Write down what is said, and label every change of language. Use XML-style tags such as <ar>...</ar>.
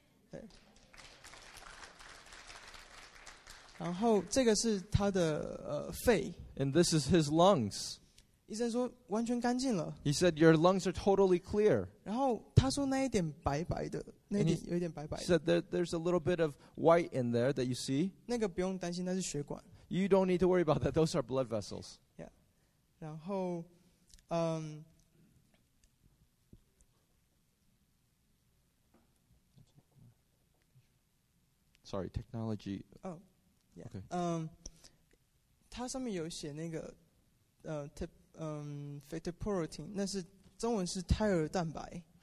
<zh>对，然后这个是他的肺。</zh> <en>And this is his lungs.</en> <zh>医生说完全干净了。</zh> <en>He said your lungs are totally clear.</en> <zh>然后他说那一点白白的，那一点有一点白白的。</zh> <en>He said there's a little bit of white in there that you see.</en> <zh>那个不用担心，那是血管。</zh> <en>You don't need to worry about that. Those are blood vessels. Yeah.</en> <zh>然后</zh> <en>Sorry, technology. Oh. Yeah. Okay.</en> <zh>它上面有写那个fetal protein, 那是中文是胎儿蛋白。</zh>